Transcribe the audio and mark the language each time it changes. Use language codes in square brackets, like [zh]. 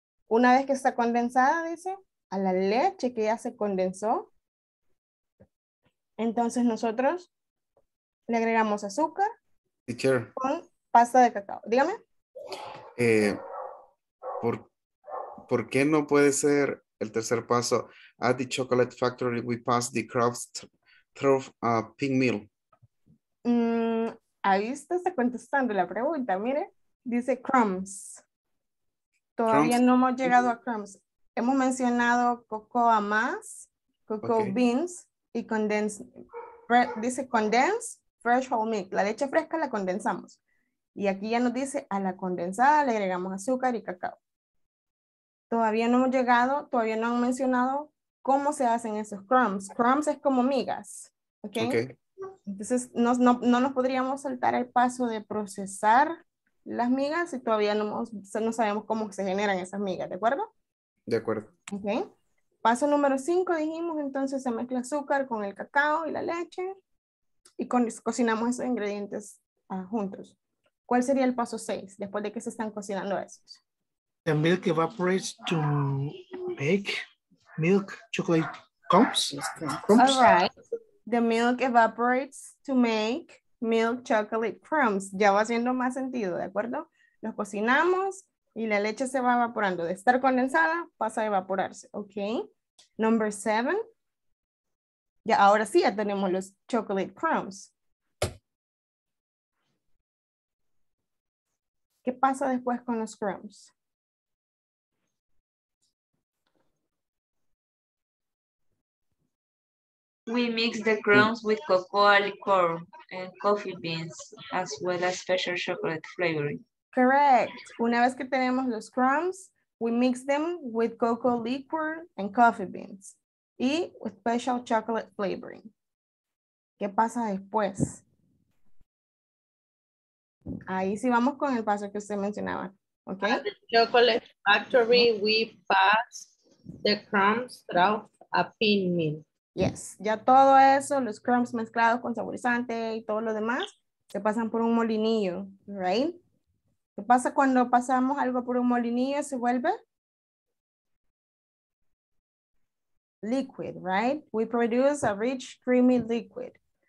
[es] Una vez que está condensada, dice, a la leche que ya se condensó, entonces nosotros le agregamos azúcar con pasta de cacao. Dígame. ¿Por qué no puede ser el tercer paso [en] At the chocolate factory, we pass the crafts through a pink mill. [es] Ahí usted está contestando la pregunta, mire. Dice crumbs. Todavía crumbs. No hemos llegado a crumbs. Hemos mencionado cocoa mass, cocoa okay. [en] beans y condensed. Dice condensed fresh whole milk. [es] La leche fresca la condensamos. Y aquí ya nos dice a la condensada le agregamos azúcar y cacao. Todavía no hemos llegado, todavía no han mencionado cómo se hacen esos crumbs. Crumbs es como migas. Ok. Okay. Entonces no nos podríamos saltar el paso de procesar las migas si todavía no sabemos cómo se generan esas migas, ¿de acuerdo? De acuerdo. Ok. Paso número 5 dijimos, entonces se mezcla azúcar con el cacao y la leche y cocinamos esos ingredientes juntos. ¿Cuál sería el paso 6 después de que se están cocinando esos? [en] The milk evaporates to make milk chocolate crumbs. All right. The milk evaporates to make milk chocolate crumbs. [es] Ya va haciendo más sentido, ¿de acuerdo? Los cocinamos y la leche se va evaporando. De estar condensada, pasa a evaporarse, ¿ok? [en] Number 7. [es] Ya, ahora sí, ya tenemos los chocolate crumbs. ¿Qué pasa después con los crumbs? [en] We mix the crumbs with cocoa liqueur and coffee beans, as well as special chocolate flavoring. Correct. [es] Una vez que tenemos los crumbs, [en] we mix them with cocoa liqueur and coffee beans. [es] Y [en] with special chocolate flavoring. [es] ¿Qué pasa después? Ahí sí vamos con el paso que usted mencionaba. [en] Okay. At the chocolate factory, we pass the crumbs through a pin mill. [es] Yes, ya todo eso, los crumbs mezclados con saborizante y todo lo demás, se pasan por un molinillo, right? ¿Qué pasa cuando pasamos algo por un molinillo? ¿Se vuelve? [en] Liquid, right? We produce a rich, creamy liquid.